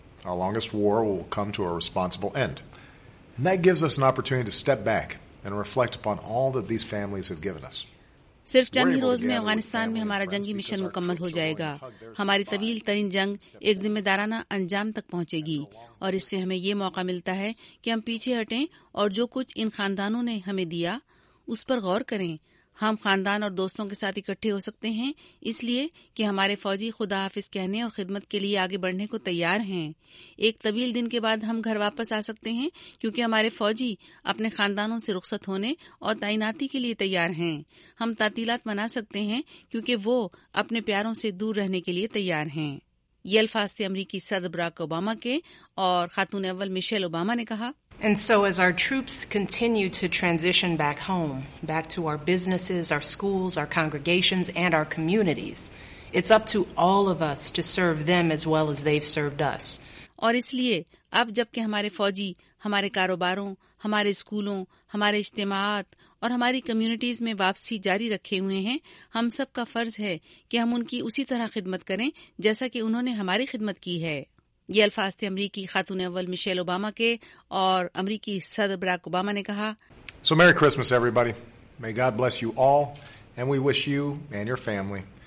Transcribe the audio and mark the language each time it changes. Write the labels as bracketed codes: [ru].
[en] Our longest war will come to a responsible end. And that gives us an opportunity to step back and reflect upon all that these families have given us. [ur] صرف چند ہی روز میں افغانستان میں ہمارا جنگی mission مکمل ہو جائے گا. ہماری طویل ترین جنگ ایک ذمہ دارانہ انجام تک پہنچے گی اور اس سے ہمیں یہ موقع ملتا ہے کہ ہم پیچھے ہٹیں اور جو کچھ ان خاندانوں نے ہمیں دیا اس پر غور کریں. ہم خاندان اور دوستوں کے ساتھ اکٹھے ہو سکتے ہیں اس لیے کہ ہمارے فوجی خدا حافظ کہنے اور خدمت کے لیے آگے بڑھنے کو تیار ہیں. ایک طویل دن کے بعد ہم گھر واپس آ سکتے ہیں کیونکہ ہمارے فوجی اپنے خاندانوں سے رخصت ہونے اور تعیناتی کے لیے تیار ہیں. ہم تعطیلات منا سکتے ہیں کیونکہ وہ اپنے پیاروں سے دور رہنے کے لیے تیار ہیں. یہ الفاظ تھے امریکی صدر براک اوباما کے. اور خاتون اول مشیل اوباما نے کہا, [en] And so as our troops continue to transition back home, back to our businesses, our schools, our congregations, and our communities, it's up to all of us to serve them as well as they've served us. [ur] اور اس لیے اب جبکہ ہمارے فوجی ہمارے کاروباروں ہمارے اسکولوں ہمارے اجتماعات اور ہماری کمیونٹیز میں واپسی جاری رکھے ہوئے ہیں, ہم سب کا فرض ہے کہ ہم ان کی اسی طرح خدمت کریں جیسا کہ انہوں نے ہماری خدمت کی ہے. یہ الفاظ تھے امریکی خاتون اول مشیل اوباما کے. اور امریکی صدر براک اوباما نے کہا, [en] So Merry Christmas everybody. May God bless you all and we wish you and your family